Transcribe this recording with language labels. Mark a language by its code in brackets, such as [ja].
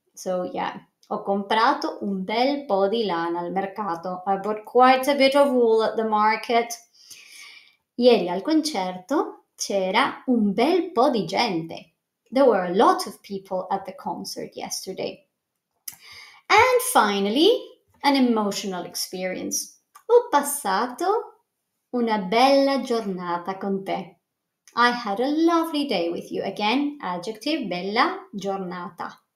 [en] So yeah, [it] ho comprato un bel po' di lana al mercato. [en] I bought quite a bit of wool at the market. [it] Ieri al concerto c'era un bel po' di gente. [en] There were a lot of people at the concert yesterday. And finally, an emotional experience. [it] Ho passato una bella giornata con te. [en] I had a lovely day with you. Again, adjective, [it] bella giornata.